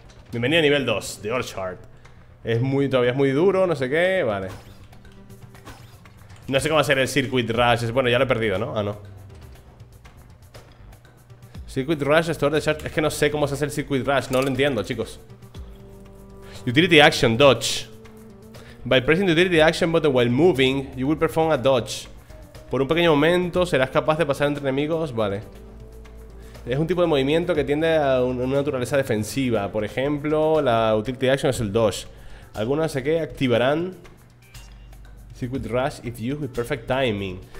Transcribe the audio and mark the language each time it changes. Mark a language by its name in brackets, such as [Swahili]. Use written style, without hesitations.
[Spanish] Bienvenido a nivel 2 de Orchard. Es muy, todavía es muy duro, no sé qué. Vale. No sé cómo va a ser el Circuit Rush. Bueno, ya lo he perdido, ¿no? Ah, no. Circuit Rush, Store the Charge. Es que no sé cómo se hace el Circuit Rush. No lo entiendo, chicos. Utility Action, Dodge. [English] By pressing the Utility Action button while moving, you will perform a dodge. [Spanish] Por un pequeño momento serás capaz de pasar entre enemigos. Vale. Es un tipo de movimiento que tiende a una naturaleza defensiva. Por ejemplo, la utility action es el dodge. Algunas sé que activarán Circuit Rush [English] if used with perfect timing.